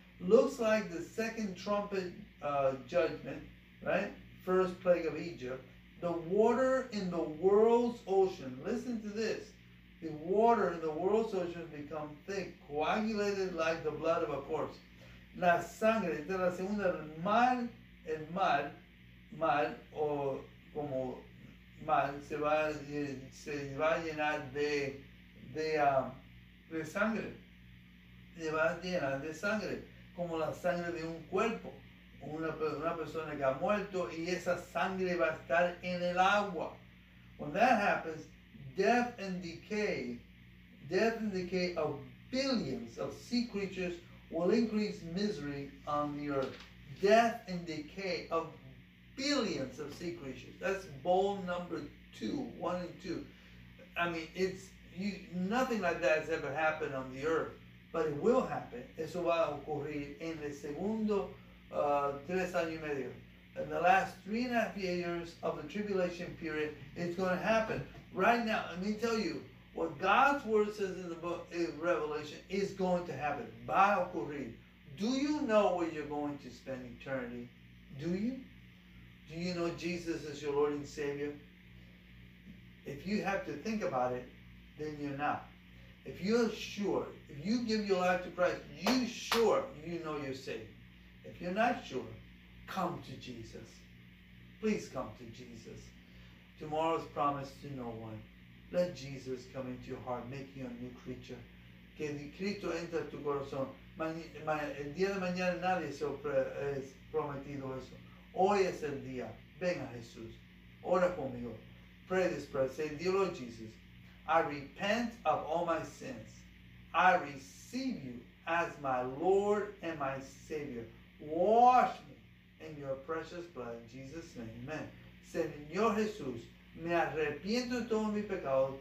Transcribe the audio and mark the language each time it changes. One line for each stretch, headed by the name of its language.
English: Looks like the second trumpet judgment, right? First plague of Egypt. The water in the world's ocean, listen to this. The water in the world's ocean become thick, coagulated like the blood of a corpse.
Spanish: La sangre, de la segunda, el mar, o como mar, se va a llenar de sangre. Se va a llenar de sangre, como la sangre de un cuerpo. Una persona que ha muerto y esa sangre va a estar en el agua.
English: When that happens, death and decay of billions of sea creatures will increase misery on the earth. Death and decay of billions of sea creatures. That's bowl number two, one and two. I mean, nothing like that has ever happened on the earth, but it will happen.
Spanish: Eso va a ocurrir en el segundo tres años y medio.
English: In the last 3.5 years of the tribulation period, it's going to happen. Right now, let me tell you, what God's word says in the book of Revelation is going to happen.
Spanish: Va a ocurrir.
English: Do you know where you're going to spend eternity? Do you? Do you know Jesus is your Lord and Savior? If you have to think about it, then you're not. If you're sure, if you give your life to Christ, you sure you know you're saved. If you're not sure, come to Jesus. Please come to Jesus. Tomorrow's promise to no one. Let Jesus come into your heart, make you a new creature.
Spanish: Que Cristo entre en tu corazón. El día de mañana nadie se ha prometido eso. Hoy es el día. Ven a Jesús. Ora conmigo.
English: Pray this prayer. Say, dear Lord Jesus, I repent of all my sins. I receive you as my Lord and my Savior. Wash me in your precious blood. In Jesus' name, amen.
Spanish: Señor Jesús, me arrepiento de todos mis pecados.